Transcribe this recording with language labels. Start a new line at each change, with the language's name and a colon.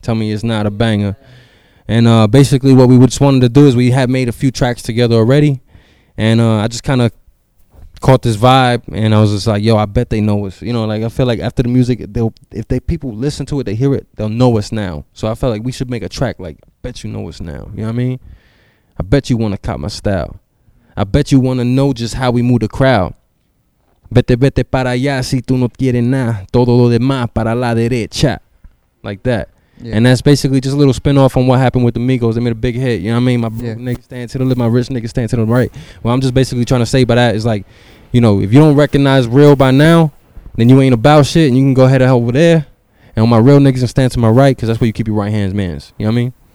English: Tell me it's not a banger. And basically, what we just wanted to do is we had made a few tracks together already, and I just kind of caught this vibe, and I was just like, yo, I bet they know us. You know, like, I feel like after the music, if people listen to it, they hear it, they'll know us now. So I felt like we should make a track like, I bet you know us now. You know what I mean? I bet you want to cop my style. I bet you want to know just how we move the crowd.
Spanish: Vete, vete para allá si tú no quieres nada. Todo lo demás para la derecha.
English: Like that. Yeah. And that's basically just a little spinoff on what happened with the Migos. They made a big hit. You know what I mean? My broke nigga stand to the left, my rich nigga stand to the right. Well, I'm just basically trying to say by that is like, you know, if you don't recognize real by now, then you ain't about shit, and you can go ahead and help over there. And all my real niggas can stand to my right, because that's where you keep your right hands, man. You know what I mean?